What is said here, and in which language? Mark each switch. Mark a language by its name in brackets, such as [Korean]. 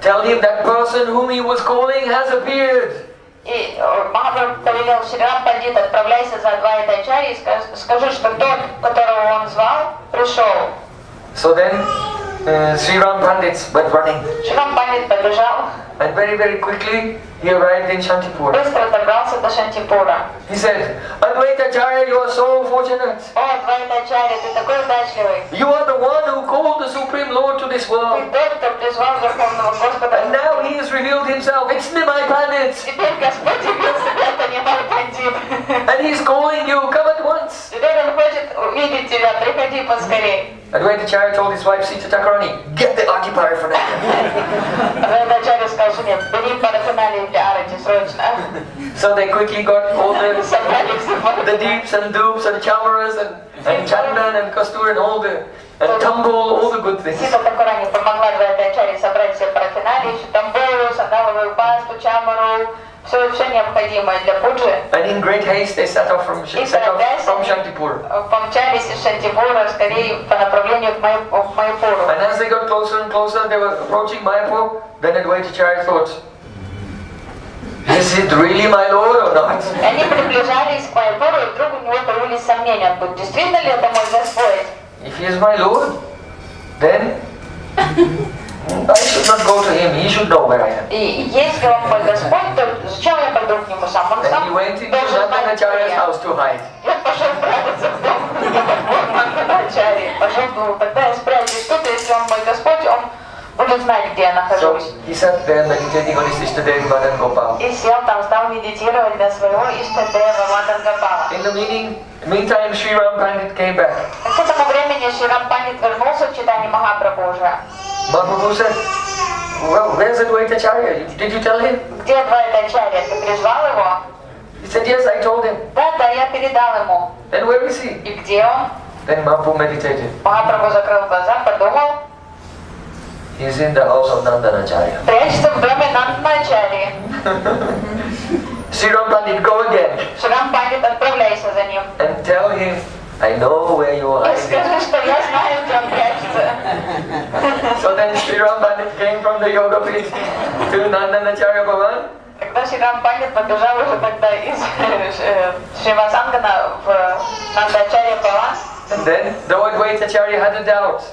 [English] Tell him that person whom he was calling has appeared. [Russian] И Махапрабху велел Шри Рам Пандит, отправляйся за Адвайта-ачарья и скажи, что тот, которого он звал, пришел. [English] So then, Sri Ram Pandit went running. [Russian] Шри Рам Пандит побежал. [English] And very, very quickly, he arrived in Shantipur. [Russian] Быстро добрался до Шантипура. [English] He said, Advaita-ачарья, you are so fortunate. [Russian] О, Адвайта-ачарья, ты такой удачливый. [English] You are the one who called the Supreme Lord to this world. [Russian] Ты тот, кто призвал Верховного Господа. [English] And now he has revealed himself. It's Nimai Pandit. [Russian] Теперь Господь явил себя, это Nimai Pandit. [English] And he's calling you, come at once. [Russian] Теперь он хочет увидеть тебя, приходи поскорее. [English] Advaita-ачарья told his wife, Sita Takarani, get the Arti Paraphernalia. [Russian] Advaita-ачарья сказал жене, бери Paraphernalia для Арати, срочно. [English] So they quickly got all the deeps and dupes and chamaras and chandan and kastur and all the and tambol, all the good things. [Russian] Sita Takarani помогла Advaita-ачарья собрать все Paraphernalia, еще tambol, сандаловую пасту, чамару, все необходимое для пуджи. [English] And in great haste they set off from Shantipur. [Russian] Помчались из Шантипура, скорее по направлению к Майяпуру. [English] And as they got closer and closer, they were approaching Майяпур, then Advaita-ачарья thought, is it really my Lord or not? [Russian] Они приближались к Майяпуру, и вдруг у него появились сомнения, действительно ли это мой Господь? [English] If he is my Lord, then I should not go to him. He should know where I am. [Russian] Если он мой Господь, то зачем я пойду к нему сам? Он сам должен знать. [English] Then he went into Nanda-ачарья's house to hide. [Russian] Я пошел прятаться в дом Нанда-ачарьи. Пошел, думал, тогда я спрячусь тут, если он мой Господь, он будет знать, где я нахожусь. [English] He sat there meditating on his Ishtadeva Madan Gopala. [Russian] И сел там, стал медитировать для своего Ishtadeva Madan Gopala. [English] In the meantime, Sri Ram Pandit came back. [Russian] К этому времени Sri Ram Pandit вернулся в читание Махапрабху уже. [English] Mahaprabhu said, well, where's Advaita-ачарья? Did you tell him? [Russian] Где Advaita-ачарья? Ты призвал его? [English] He said, yes, I told him. [Russian] Да, я передал ему. [English] Then where is he? [Russian] И где он? [English] Then Mahaprabhu meditated. [Russian] Mahaprabhu закрыл глаза, подумал. [English] He's in the house of Нанда-ачарья. [Russian] Прячется в доме Нанда-ачарья. [English] Sri Ram Pandit, go again. [Russian] Sri Ram Pandit, отправляйся за ним. [English] And tell him I know where you are. [Russian] Скажи, что я знаю, где он прячется. [English] So then Sri Rambani came from the yoga place to Nandanacharya Bhavan. [Russian] Когда Шри Рампанди побежал уже тогда из Шривасангана в Нандачарья Бхаван. [English] Then the old white Acharya had a doubt.